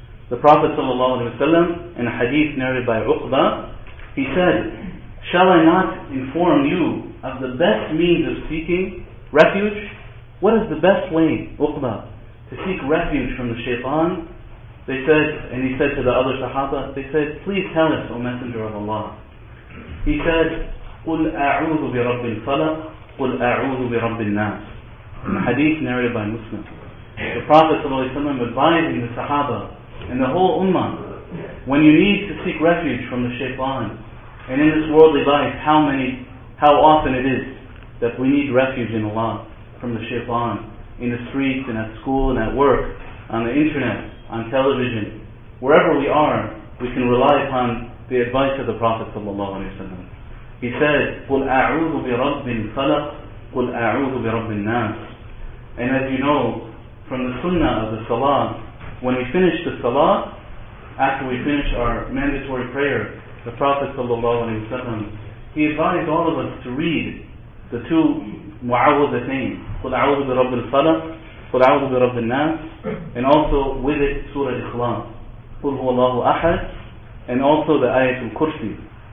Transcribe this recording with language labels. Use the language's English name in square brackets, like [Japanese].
[English] The Prophet ﷺ, in a hadith narrated by Uqba, he said, shall I not inform you of the best means of seeking refuge? What is the best way, Uqba, to seek refuge from the shaytan? They said, and he said to the other Sahaba, they said, please tell us, O Messenger of Allah. He said, [Arabic] قُلْ أَعُوذُ بِرَبِّ الْفَلَقِ قُلْ أَعُوذُ بِرَبِّ النَّاسِ. [English] A hadith narrated by Muslim. The Prophet ﷺ advising the Sahaba and the whole Ummah, when you need to seek refuge from the shaitan, and in this worldly life, how often it is that we need refuge in Allah from the shaitan, in the streets and at school and at work, on the internet, on television, wherever we are, we can rely upon the advice of the Prophet ﷺ. He said, [Arabic] قُلْ أَعُوذُ بِرَبِّ الْفَلَقِ قُلْ أَعُوذُ بِرَبِّ النَّاسِ. [English] And as you know, from the sunnah of the salah, when we finish the salah, after we finish our mandatory prayer, the Prophet ﷺ, he advised all of us to read the two mu'awwidhatayn, [Arabic] قُلْ أَعُوذُ بِرَبِّ الْفَلَقِ قُلْ أَعُوذُ بِرَبِّ النَّاسِ, [English] and also with it Surah Al-Ikhlas, [Arabic] قُلْ هُوَ اللَّهُ أَحَدٌ, [English] and also the Ayat Al-Kursi.